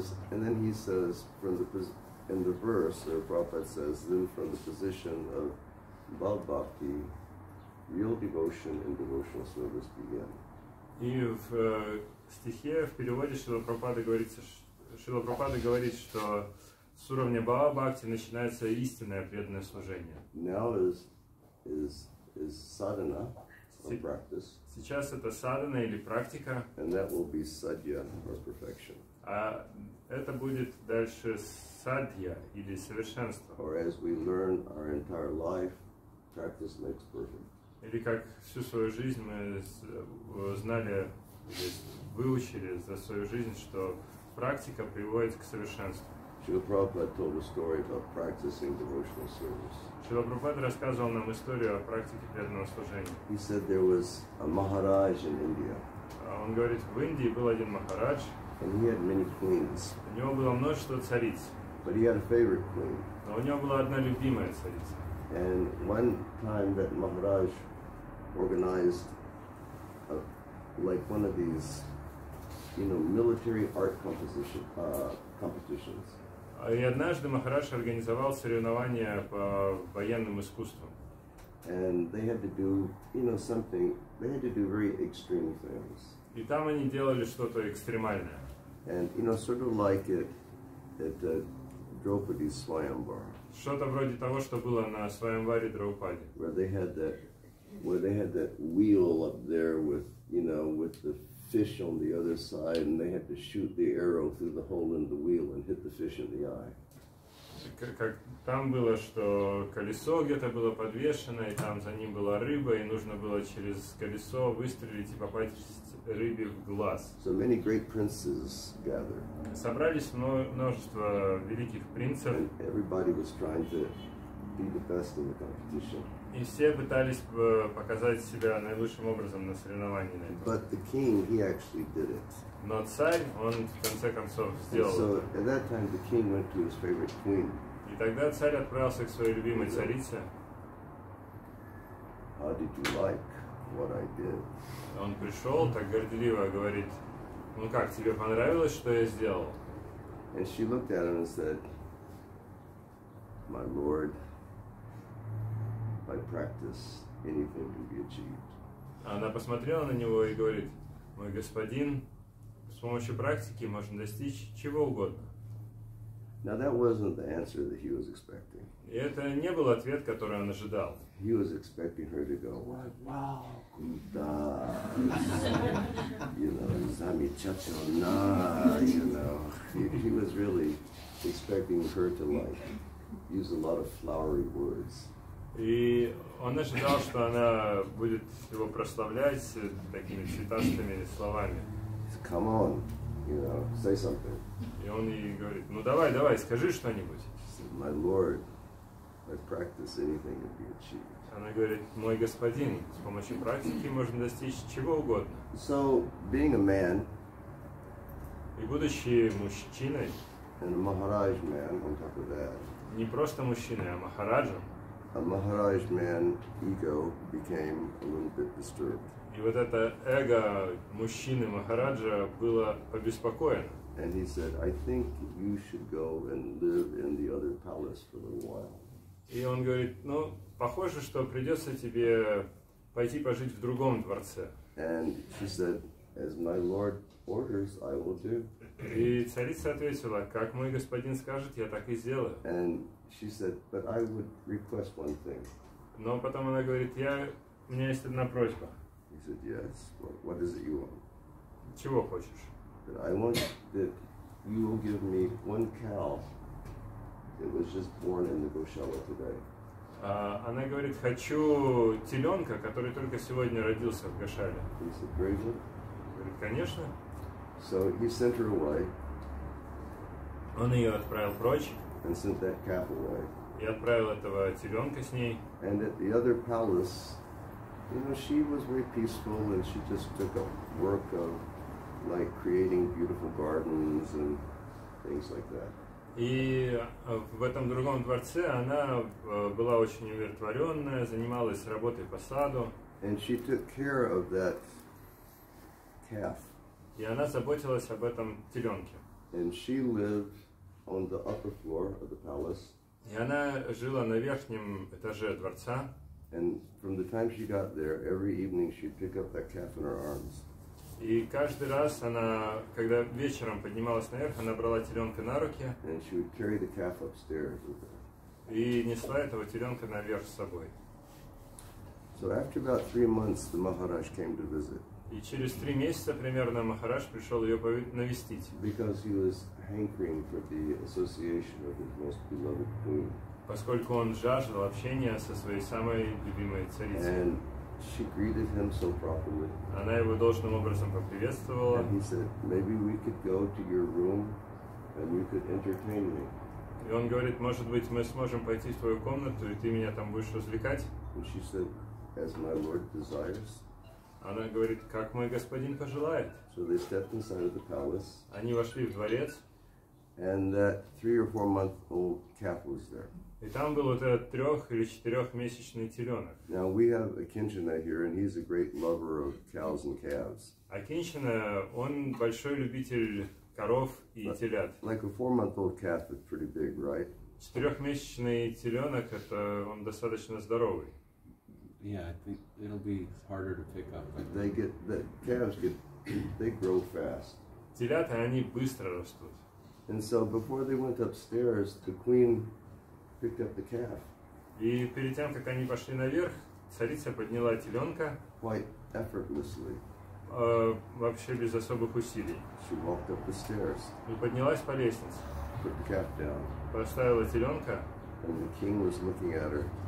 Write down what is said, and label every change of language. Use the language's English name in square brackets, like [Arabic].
[English] And then he says from the position of bhav bhakti, real devotion and devotional service begin. [Russian] И в стихе в переводе Шрила Прабхупада говорит, что с уровня бхава бхакти начинается истинное преданное служение. [English] Now is sadhana or practice. [Russian] Сейчас это садхана или практика. [English] And that will be sadhya or perfection. [Russian] А это будет дальше садхья или совершенство. [English] Or as we learn our entire life, practice makes perfect. [Russian] Или как всю свою жизнь мы знали, или выучили за свою жизнь, что практика приводит к совершенству. [English] Srila Prabhupada told a story about practicing devotional service. [Russian] Srila Prabhupada рассказывал нам историю о практике преданного служения. [English] He said there was a Maharaj in India. [Russian] Он говорит, в Индии был один Махарадж. [English] And he had many queens. [Russian] У него было множество цариц. [English] But he had a favorite queen. [Russian] Но у него была одна любимая царица. [English] And one time that Maharaj organized one of these you know, military art composition competitions. [Russian] И однажды Махараш организовал соревнования по военным искусствам. [English] And they had to do, you know, something. They had to do very extreme things. [Russian] И там они делали что-то экстремальное. [English] And you know, sort of like it at Draupadi's Swayambhar. [Russian] Что-то вроде того, что было на Свайамваре Драупаде. [English] Where they had that, where they had that wheel up there with, you know, with the fish on the other side, and they had to shoot the arrow through the hole in the wheel and hit the fish in the eye. [Russian] Как там было, что колесо где-то было подвешено, и там за ним была рыба, и нужно было через колесо выстрелить и попасть рыбе в глаз. [English] So many great princes gathered. [Russian] Собрались множество великих принцев. [English] And everybody was trying to be the best in the competition. [Russian] И все пытались показать себя наилучшим образом на соревновании. [English] But the king, he actually did it. [Russian] Но царь, он в конце концов сделал. [English] So at that time the king went to his favorite queen. [Russian] И тогда царь отправился к своей любимой царице. [English] How did you like what I did? [Russian] Он пришел, так горделиво говорит: ну как, тебе понравилось, что я сделал? [English] And she looked at him and said, my lord, by practice, anything can be achieved. [Russian] Она посмотрела на него и говорит: мой господин, с помощью практики можно достичь чего угодно. [English] Now that wasn't the answer that he was expecting. [Russian] И это не был ответ, который он ожидал. [English] He was expecting her to go, wow, [Russian] куда? [English] You know, [Russian] замечательно, [English] you know. He was really expecting her to like use a lot of flowery words. [Russian] И он ожидал, что она будет его прославлять такими цветастыми словами. [English] Come on, you know, say something. [Russian] И он ей говорит: ну давай, давай, скажи что-нибудь. [English] My lord, by practice anything can be achieved. [Russian] Она говорит: мой господин, с помощью практики можно достичь чего угодно. [English] So, being a man, [Russian] и будучи мужчиной, [English] and a Maharaj man on top of that, [Russian] не просто мужчиной, а Махараджем, [English] a Maharaj man ego became a little bit disturbed. [Russian] И вот это эго мужчины Махараджа было побеспокоено. [English] And he said, I think you should go and live in the other palace for a little while. [Russian] И он говорит: ну, похоже, что придется тебе пойти пожить в другом дворце. [English] And she said, as my lord orders, I will do. [Russian] И царица ответила: как мой господин скажет, я так и сделаю. [English] And she said, but I would request one thing. [Russian] Но потом она говорит: я, у меня есть одна просьба. [English] He said, yes, what is it you want? [Russian] Чего хочешь? [English] That I want that you will give me one cow that was just born in the Goshala today. [Russian] Она говорит: хочу теленка, который только сегодня родился в Гошале. [English] He said, great. [Russian] Говорит: конечно. [English] So he sent her away. [Russian] Он ее отправил прочь. [English] And sent that calf away. [Russian] И отправил этого теленка с ней. [English] And at the other palace, you know, she was very peaceful and she just took up work of like creating beautiful gardens and things like that. [Russian] И в этом другом дворце она была очень умиротворенная, занималась работой по саду. [English] And she took care of that calf. [Russian] И она заботилась об этом теленке. [English] And she lived on the upper floor of the palace. [Russian] И она жила на верхнем этаже дворца. [English] And from the time she got there, every evening she'd pick up that calf in her arms. [Russian] И каждый раз она, когда вечером поднималась наверх, она брала теленка на руки. [English] And she would carry the calf upstairs with her. [Russian] И несла этого теленка наверх с собой. [English] So after about 3 months, the Maharaj came to visit. [Russian] И через 3 месяца примерно Махарадж пришел ее навестить. [English] Because he was hankering for the association of his most beloved queen. [Russian] Поскольку он жаждал общения со своей самой любимой царицей. [English] And she greeted him so properly. [Russian] Она его должным образом поприветствовала. [English] And he said, maybe we could go to your room and you could entertain me. [Russian] И он говорит: может быть, мы сможем пойти в твою комнату, и ты меня там будешь развлекать? [English] And she said, as my lord desires. [Russian] Она говорит: как мой господин пожелает. [English] So they stepped inside of the palace. [Russian] Они вошли в дворец. [English] And that 3 or 4 month old calf was there. [Russian] И там был вот этот трех- или четырехмесячный теленок. [English] Now we have Akinchina here, and he's a great lover of cows and calves. [Russian] Akinchina, он большой любитель коров и телят. [English] Like a four-month-old calf is pretty big, right? [Russian] Четырехмесячный теленок, это он достаточно здоровый. [English] Yeah, I think it'll be harder to pick up. They get the calves get they grow fast. [Russian] Телята, они быстро растут. [English] And so before they went upstairs, the queen picked up the calf. [Russian] И перед тем, как они пошли наверх, царица подняла теленка. [English] Quite effortlessly. [Russian] Вообще без особых усилий. [English] She walked up the stairs. [Russian] И поднялась по лестнице. [English] Put the calf down. [Russian] Поставила теленка. [English] And the king was looking at her.